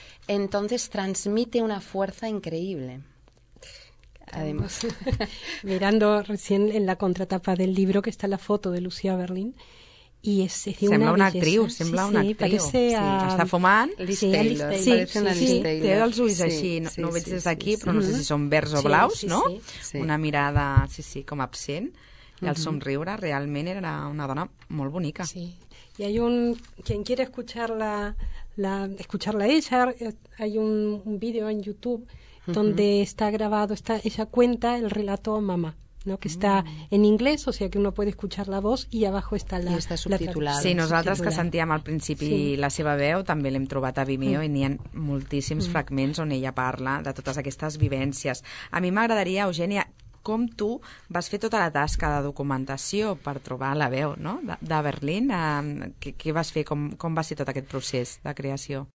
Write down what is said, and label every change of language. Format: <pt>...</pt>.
<es>Entonces transmite una fuerza increíble. Además, mirando recién en la contratapa del libro, que está la foto de Lucía Berlín, y es decir,</es> <ca>sembla una actriu, sembla sí, una actriu.</ca> <es>Parece a...</es> <ca>Està fumant. Sí. Té els ulls així, no ho veig des d'aquí, però no sé si són verds o blaus, no? Una mirada, com absent. I el somriure realment era una dona molt bonica.</ca> <es>Sí. Y hay un... Quien quiere escucharla ella, hay un vídeo en YouTube donde está grabado, ella cuenta el relato a mamá, ¿no? Que está en inglés, o sea que uno puede escuchar la voz, y abajo está la... Y está subtitulada.</es> <ca>Sí, nosaltres que sentíem al principi la seva veu, també l'hem trobat a Vimeo, i n'hi ha moltíssims fragments on ella parla de totes aquestes vivències. A mi m'agradaria, Eugènia, com tu vas fer tota la tasca de documentació per trobar la veu, no? De Berlín, què vas fer, com va ser tot aquest procés de creació?</ca>